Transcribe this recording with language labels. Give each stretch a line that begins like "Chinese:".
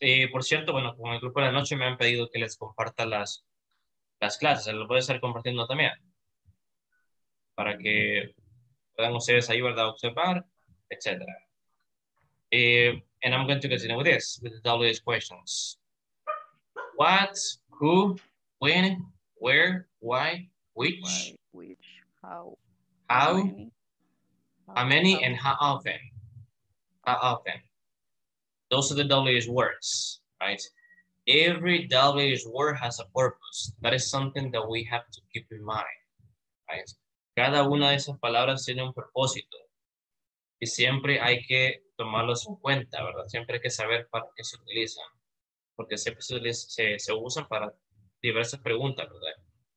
Spanish: Por cierto, bueno, con el grupo de la noche me han pedido que les comparta las clases. Se los voy a estar compartiendo también. Para que puedan ustedes ahí, ¿verdad? Observar, etc.
English: And I'm going to continue with this, with the WH questions. What, who, when, where, why, which, how, how many, and how often. How often. Those are the WH words, right? Every WH word has a purpose. That is something that we have to keep in mind, right?
Spanish: Cada una de esas palabras tiene un propósito. Y siempre hay que tomarlos en cuenta, ¿verdad? Siempre hay que saber para qué se utilizan. Porque siempre se usan para diversas preguntas, ¿verdad?